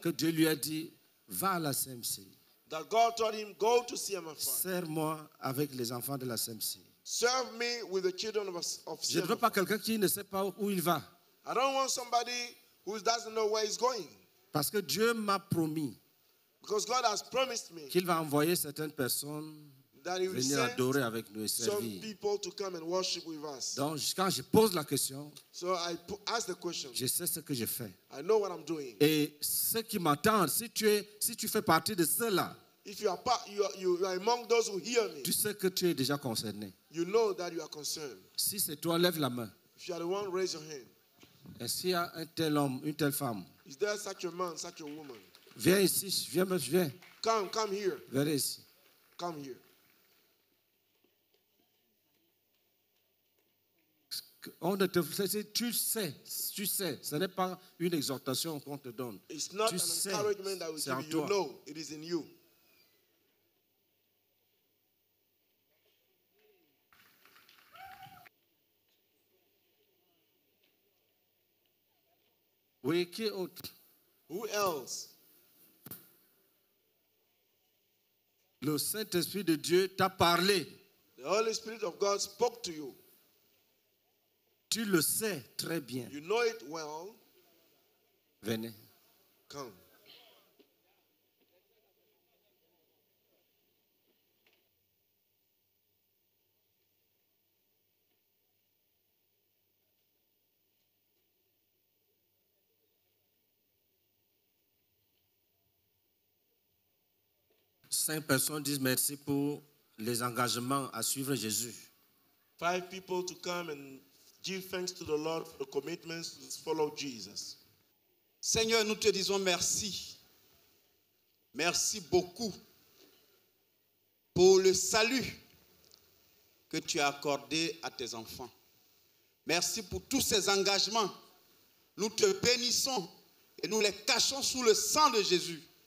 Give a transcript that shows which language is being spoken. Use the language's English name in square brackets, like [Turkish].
[French] que Dieu lui a dit, va à la CMC. [English] That God told him, go to CMFI. [French] Serre-moi avec les enfants de la CMC. [English] Serve me with the children of CMFI. [French] Je ne veux pas quelqu'un qui ne sait pas où il va. [English] I don't want somebody who doesn't know where he's going. [French] Parce que Dieu m'a promis. [English] Because God has promised me. [French] Qu'il va envoyer certaines personnes. [English] That he [French] venir adorer avec nous et servir. [English] Some people to come and worship with us. [French] Donc, quand je pose la question, [English] so I ask the question, [French] je sais ce que je fais. [English] I know what I'm doing. [French] Et ceux qui m'attendent, si tu fais partie de ceux-là, tu sais que tu es déjà concerné. [English] You know that you are concerned. [French] Si c'est toi, lève la main. [English] If you are the one, raise your hand. [French] Et s'il y a un tel homme, une telle femme, [English] is there such a man, such a woman? [French] Viens ici, viens. [English] Come here. [French] Venez ici. [English] Come here. [French] On ne te tu sais, ce n'est pas une exhortation qu'on te donne. [English] It's not an encouragement that we give you. You know, it is in you. [French] Oui, qui autre? [English] Who else? [French] Le Saint-Esprit de Dieu t'a parlé. [English] The Holy Spirit of God spoke to you. [French] Tu le sais très bien. [English] You know it well. [French] Venez. [English] Come. [French] Cinq personnes disent merci pour les engagements à suivre Jésus. [English] Five people to come and give thanks to the Lord for the commitments to follow Jesus. [French] Seigneur, nous te disons merci. Merci beaucoup pour le salut que tu as accordé à tes enfants. Merci pour tous ces engagements. Nous te bénissons et nous les cachons sous le sang de Jésus.